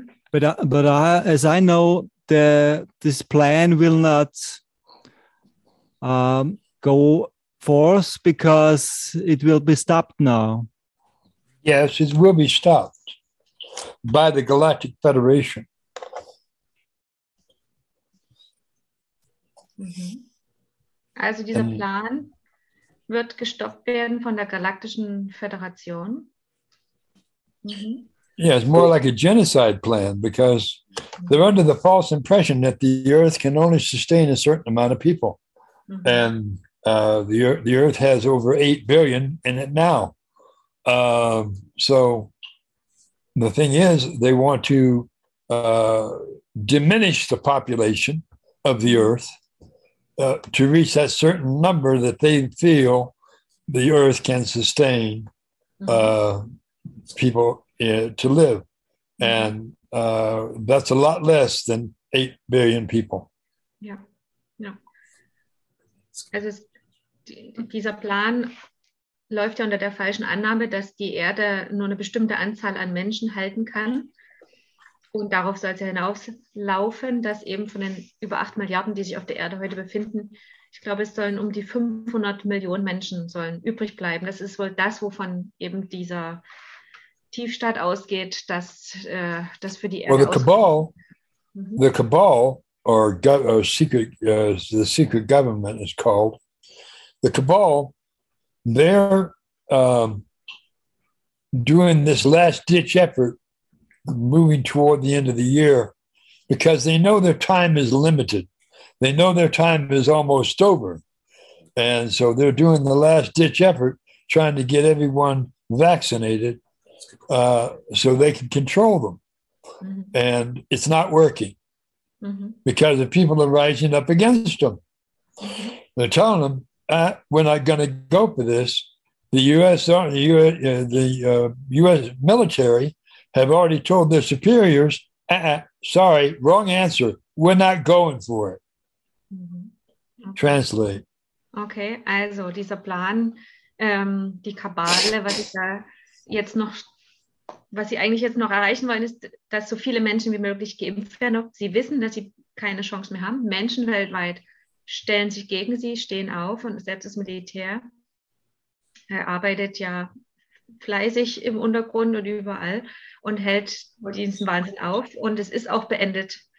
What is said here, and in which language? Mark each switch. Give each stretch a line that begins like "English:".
English: But as I know, this plan will not go forth because it will be stopped now. Yes, it will be stopped by the Galactic Federation. Mm-hmm.
German: Also dieser Plan wird gestoppt werden von der Galaktischen Föderation. Mm-hmm.
English: Yeah, it's more like a genocide plan because they're under the false impression that the Earth can only sustain a certain amount of people. Mm-hmm. And the Earth has over 8 billion in it now. So the thing is, they want to diminish the population of the Earth to reach that certain number that they feel the Earth can sustain people to live. And that's a lot less than 8 billion people. Yeah.
German: Also dieser Plan läuft ja unter der falschen Annahme, dass die Erde nur eine bestimmte Anzahl an Menschen halten kann. Und darauf soll es ja hinauslaufen, dass eben von den über 8 Milliarden, die sich auf der Erde heute befinden, ich glaube, es sollen um die 500 Millionen Menschen sollen übrig bleiben. Das ist wohl das, wovon eben dieser Tiefstaat ausgeht, dass das für die Erde ausgeht.
English: The Cabal, or secret, the secret government is called, the Cabal, they're doing this last-ditch effort moving toward the end of the year because they know their time is limited. They know their time is almost over. And so they're doing the last-ditch effort trying to get everyone vaccinated so they can control them. Mm-hmm. And it's not working mm-hmm. because the people are rising up against them. They're telling them, we're not going to go for this. The U.S. military have already told their superiors, sorry, wrong answer. We're not going for it. Okay. Translate.
German: Okay, also dieser Plan, die Kabale, was sie eigentlich jetzt noch erreichen wollen, ist, dass so viele Menschen wie möglich geimpft werden. Sie wissen, dass sie keine Chance mehr haben. Menschen weltweit stellen sich gegen sie, stehen auf und selbst das Militär arbeitet ja fleißig im Untergrund und überall und hält diesen Wahnsinn auf und es ist auch beendet.